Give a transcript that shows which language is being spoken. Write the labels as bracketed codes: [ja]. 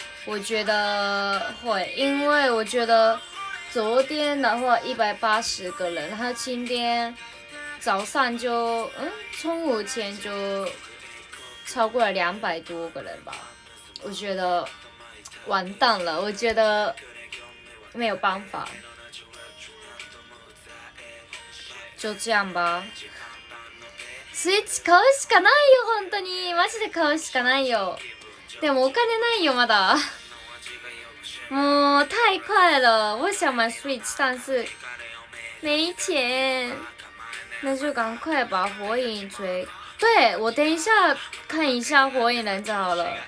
[zh] 我觉得会，因为我觉得昨天的话180个人，然后今天早上就中午前就超过了200多个人吧，我觉得。完蛋了，我觉得没有办法，就这样吧。 [ja] スイッチ買うしかないよ、本当にマジで買うしかないよ。 [zh] でもお金ないよまだ。もう太快了，我想买 Switch， 但是没钱。那就赶快把火影追。对，我等一下看一下火影忍者好了。